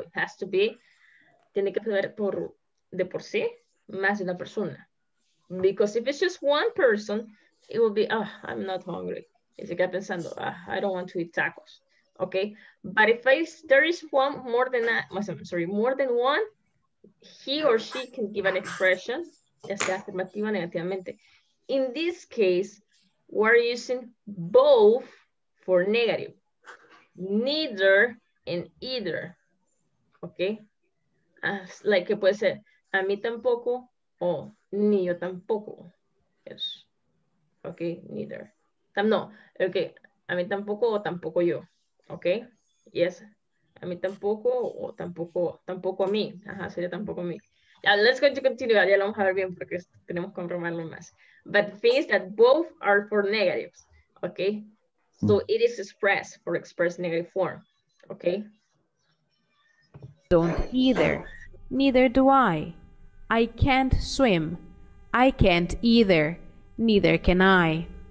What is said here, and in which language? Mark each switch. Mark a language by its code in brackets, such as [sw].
[en] It has to be, [es] tiene que haber por, de por sí, más de una persona. [en] Because if it's just one person, it will be, oh, I'm not hungry. [es] Y se queda pensando, [en] oh, I don't want to eat tacos. Okay, but if there is one more than that, more than one, he or she can give an expression, [es] ya sea afirmativa o negativamente. [en] In this case, we're using both for negative, neither and either. [es] Okay, like it puede ser a mí tampoco o ni yo tampoco. [en] Yes, okay, neither. [es] No, okay, a mí tampoco o tampoco yo. Okay, yes. A mí tampoco o tampoco a mí. Ajá, sería tampoco a mí. [en] Now, let's go to continue. [es] Ya lo vamos a ver bien porque tenemos que comprobarlo más. [en] But the thing is that both are for negatives. Okay? So it is expressed for express negative form. Okay? Don't either. Neither do I. I can't swim. I can't either. Neither can I.